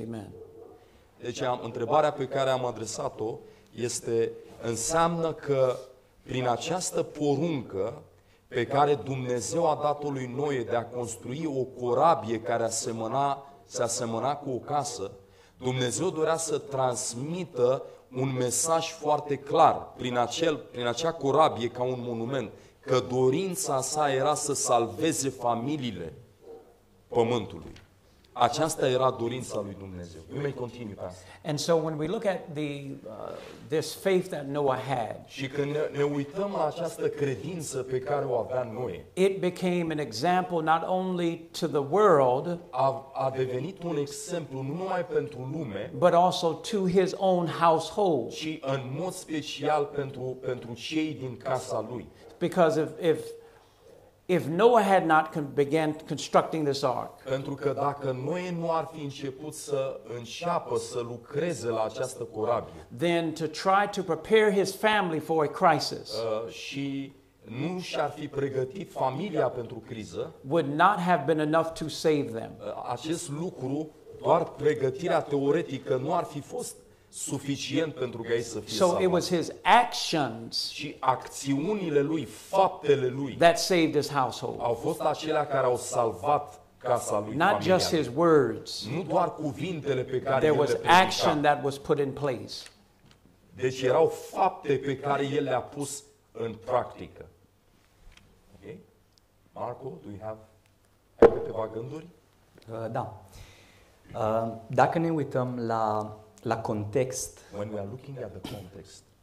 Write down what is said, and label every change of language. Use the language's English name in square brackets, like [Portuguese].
[Romanian] Amen. Deci întrebarea pe care am adresat-o este, înseamnă că prin această poruncă pe care Dumnezeu a dat-o lui Noe de a construi o corabie care se asemăna cu o casă, Dumnezeu dorea să transmită un mesaj foarte clar prin acea corabie ca un monument, că dorința sa era să salveze familiile pământului. Aceasta era dorința lui Dumnezeu. [English] You may continue, Pastor. And so when we look at this faith that Noah had, [Romanian] și când ne uităm la această credință pe care o avea Noe, [English] it became an example not only to the world, [Romanian] a devenit un exemplu nu numai pentru lume, [English] but also to his own household, [Romanian] și în mod special pentru cei din casa lui. [English] Because if Noah had not began constructing this ark, [Romanian] pentru că dacă Noe nu ar fi început să înceapă să lucreze la această corabie, [English] then to try to prepare his family for a crisis, [Romanian] și nu și-ar fi pregătit familia pentru criză, [English] would not have been enough to save them. [Romanian] Acest lucru, doar pregătirea teoretică, nu ar fi fost suficient pentru ca ei să fie salvați. [English] So it was his actions, [Romanian] și acțiunile lui, faptele lui, [English] that saved his household. [Romanian] Au fost acelea care au salvat casa lui, [English] not just his words. [Romanian] Nu doar cuvintele pe care [English] there was action that was put in place. [Romanian] Deci erau fapte pe care el le-a pus în practică. Okay? [English] Marco, do you have [Romanian] câteva gânduri? Da. Dacă ne uităm la context. [English] When we are looking at the context.